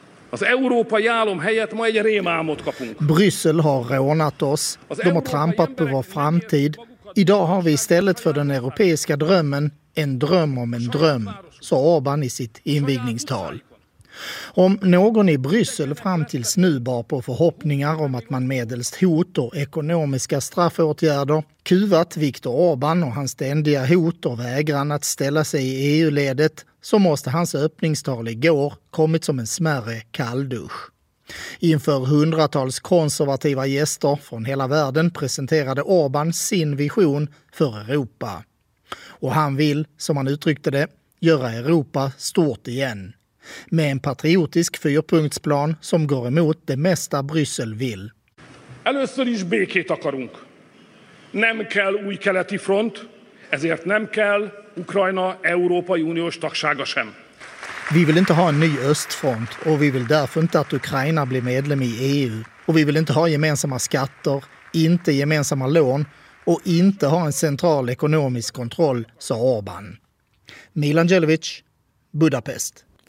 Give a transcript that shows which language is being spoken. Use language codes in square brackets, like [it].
[hu] Az európai állam helyett ma egy rémálmot kapunk. [sv] Bryssel har rånat oss. De har trampat på vår framtid. Idag har vi istället för den europeiska drömmen en dröm om en dröm, sa Orbán i sitt invigningstal. Om någon i Bryssel fram tills nu bar på förhoppningar om att man medelst hot och ekonomiska straffåtgärder kuvat Viktor Orbán och hans ständiga hot och vägran att ställa sig i EU-ledet, så måste hans öppningstal igår kommit som en smärre kalldusch. Inför hundratals konservativa gäster från hela världen presenterade Orbán sin vision för Europa. Och han vill, som han uttryckte det, göra Europa stort igen. Med en patriotisk fyrpunktsplan som går emot det mesta Bryssel vill. [hu] Először is békét akarunk. Nem kell új keleti front, ezért nem kell Ukrajna Európai Uniós tagsága sem. [sv] Vi vill inte ha en ny östfront och vi vill därför inte att Ukraina blir medlem i EU. Och vi vill inte ha gemensamma skatter, inte gemensamma lån och inte ha en central ekonomisk kontroll, sa Orbán. Milan Jelovic, Budapest.